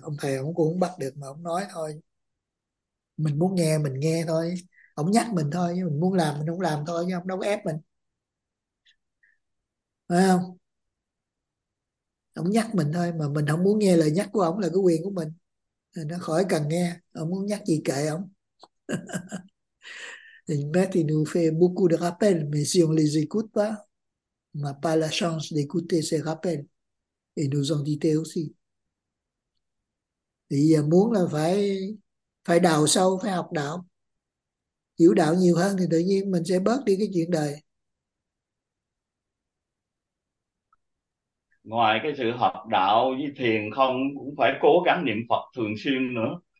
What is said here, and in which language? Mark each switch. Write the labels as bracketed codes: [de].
[vi] Ông thầy ông cũng bắt được mà ông nói thôi. Mình muốn nghe mình nghe thôi, ông nhắc mình thôi, mình muốn làm mình không làm thôi, chứ ông đâu có ép mình. Phải không? Ông nhắc mình thôi, mà mình không muốn nghe lời nhắc của ông là cái quyền của mình. Thì nó khỏi cần nghe, ông muốn nhắc gì kệ ông. [fr] Il nous fait beaucoup de rappels, mais si on ne les écoute pas, on n'a pas la chance d'écouter ces rappels et nos entités aussi. [vi] Thì muốn là phải phải đào sâu, phải học đạo. Hiểu đạo nhiều hơn thì tự nhiên mình sẽ bớt đi cái chuyện đời. Ngoài cái sự học đạo với thiền không, cũng phải cố gắng niệm Phật thường xuyên nữa,